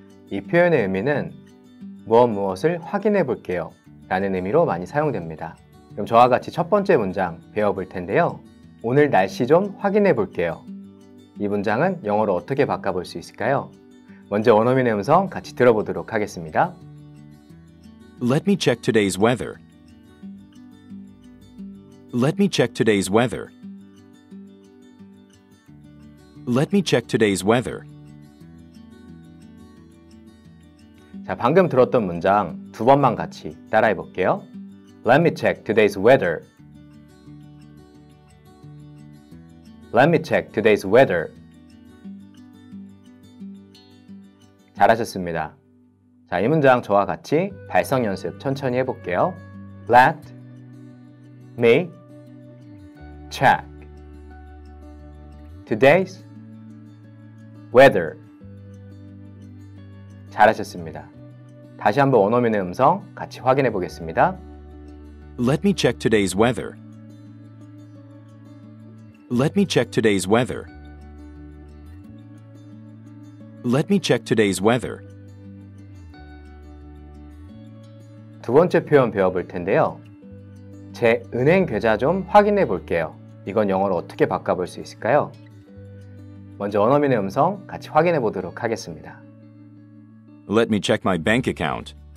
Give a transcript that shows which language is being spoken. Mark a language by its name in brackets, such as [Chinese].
[Korean] 이 표현의 의미는 무엇을 확인해 볼게요 라는 의미로 많이 사용됩니다. 그럼 저와 같이 첫 번째 문장 배워볼 텐데요. 오늘 날씨 좀 확인해 볼게요. 이 문장은 영어로 어떻게 바꿔볼 수 있을까요? 먼저 원어민의 음성 같이 들어보도록 하겠습니다. [English] Let me check today's weather. Let me check today's weather. Let me check today's weather. [Korean] 자, 방금 들었던 문장 두 번만 같이 따라해 볼게요. [English] Let me check today's weather. Let me check today's weather. [Korean] 잘하셨습니다. 자, 이 문장 저와 같이 발성 연습 천천히 해볼게요. [English] Let me check today's weather. [Korean] 잘하셨습니다. 다시 한번 원어민의 음성 같이 확인해 보겠습니다. [English] Let me check today's weather. Let me check today's weather. Let me check today's weather. [Korean] 두 번째 표현 배워볼 텐데요. 제 은행 계좌 좀 확인해 볼게요. 이건 영어로 어떻게 바꿔볼 수 있을까요? 먼저 원어민의 음성 같이 확인해 보도록 하겠습니다. [English] Let me check my bank account.